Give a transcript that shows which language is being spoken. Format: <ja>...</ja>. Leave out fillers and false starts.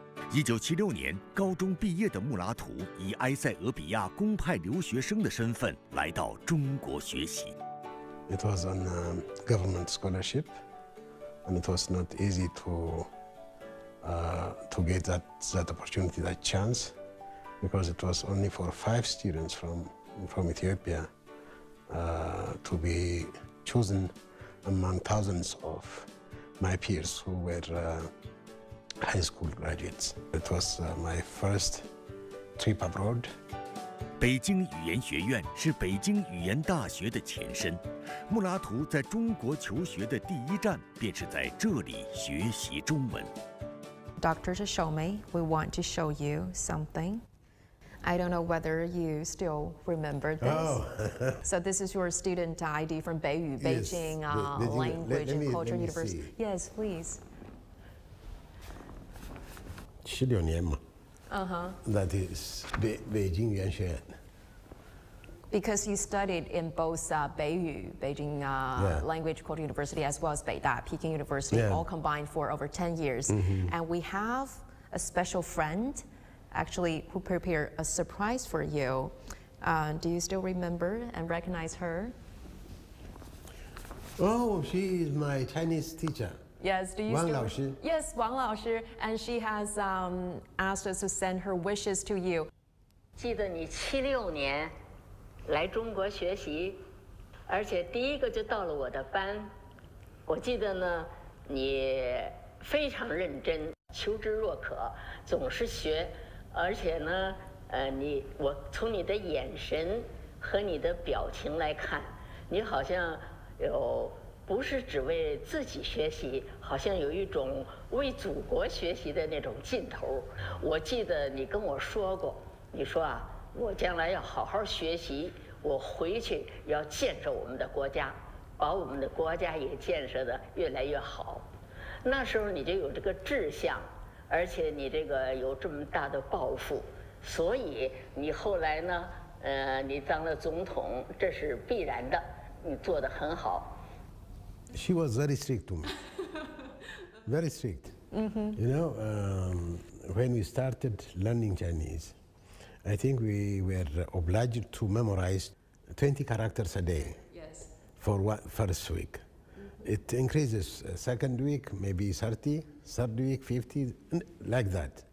<zh>1976年高中毕业的穆拉图以埃塞俄比亚公派留学生的身份来到中国学习。</zh> <en>It was on a government scholarship, and it was not easy to get that opportunity, that chance, because it was only for 5 students from Ethiopia to be chosen among thousands of my peers who were high school graduates. It was my first trip abroad.</en> <zh>北京语言学院是北京语言大学的前身，穆拉图在中国求学的第一站便是在这里学习中文。</zh> <en>Dr. Shishomei, we want to show you something. I don't know whether you still remember this. Oh. So this is your student ID from Beiyu, Beijing, yes, Language and Culture University. Yes, please.</en> <zh>76年嘛。 Uh-huh.</zh> <en>That is Beijing 语言学院。 Because you studied in both Beiyu, Beijing Language Culture University, as well as Beida, Peking University, all combined for over 10 years. Mm-hmm. And we have a special friend, actually, who prepared a surprise for you. Do you still remember and recognize her? Oh, she is my Chinese teacher. Yes, do you Wang still? Wang 老师. Yes, Wang 老师. And she has asked us to send her wishes to you.</en> <zh>记得你76年来中国学习，而且第一个就到了我的班。我记得呢，你非常认真，求知若渴，总是学，而且呢，我从你的眼神和你的表情来看，你好像有不是只为自己学习，好像有一种为祖国学习的那种劲头。我记得你跟我说过，你说啊，我将来要好好学习，我回去要建设我们的国家，把我们的国家也建设得越来越好。那时候你就有这个志向，而且你这个有这么大的抱负，所以你后来呢，你当了总统，这是必然的，你做得很好。</zh> <en>She was very strict to me. Very strict. Mm-hmm. You know, when we started learning Chinese, I think we were obliged to memorize 20 characters a day. Yes. For what first week? Mm-hmm. It increases second week, maybe 30, third week, 50, like that.</en>